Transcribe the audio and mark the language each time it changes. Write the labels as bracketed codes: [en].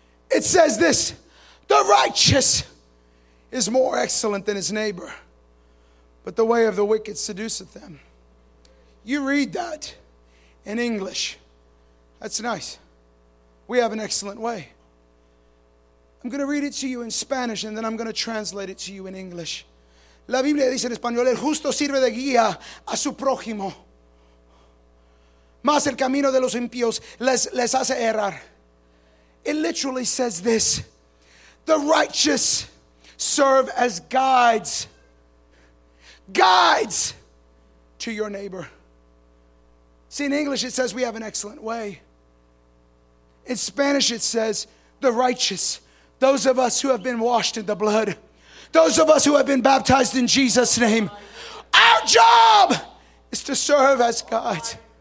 [en] It says this: the righteous is more excellent than his neighbor, but the way of the wicked seduceth them. You read that in English. That's nice. We have an excellent way. I'm going to read it to you in Spanish, and then I'm going to translate it to you in English. [es] La Biblia dice en español, el justo sirve de guía a su prójimo. Mas el camino de los impíos les hace errar. [en] It literally says this: the righteous serve as guides. Guides to your neighbor. See, in English it says we have an excellent way. In Spanish it says the righteous, those of us who have been washed in the blood, those of us who have been baptized in Jesus' name, our job is to serve as guides.